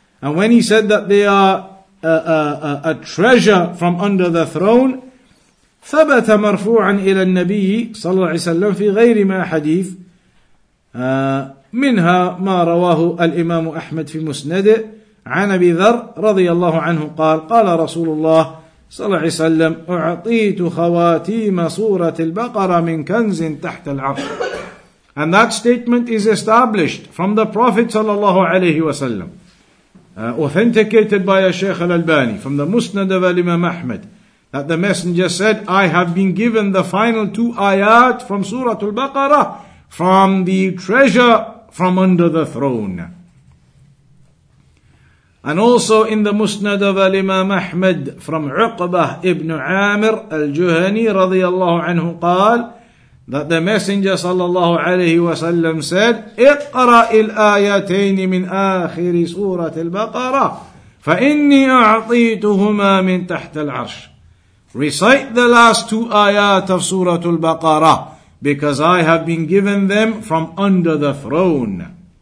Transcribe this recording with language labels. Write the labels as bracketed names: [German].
[English] And when he said that they are a treasure from under the throne, [Arabic] ثبت مرفوعا إلى النبي صلى الله عليه وسلم في غير ما حديث منها ما رواه الإمام أحمد في مسنده عن أبي ذر رضي الله عنه قال قال رسول الله صلى الله عليه وسلم أعطيت خواتيم سورة البقرة من كنز تحت العرش. [English] And that statement is established from the Prophet صلى الله عليه وسلم, authenticated by a Sheikh Al-Albani from the Musnad of Imam Ahmad, that the messenger said, I have been given the final two ayat from Surah Al-Baqarah from the treasure from under the throne. And also in the Musnad of Imam Ahmad from Uqbah ibn Amir al-Juhani radiyallahu anhu qal, that the Messenger sallallahu alayhi wa sallam said, [Arabic] اِقْرَأِ الْآيَتَيْنِ مِنْ آخِرِ سُورَةِ الْبَقَرَةِ فَإِنِّي أَعْطِيتُهُمَا مِنْ تَحْتَ الْعَرْشِ. [English] Recite the last two ayat of Surah Al-Baqarah, because I have been given them from under the throne.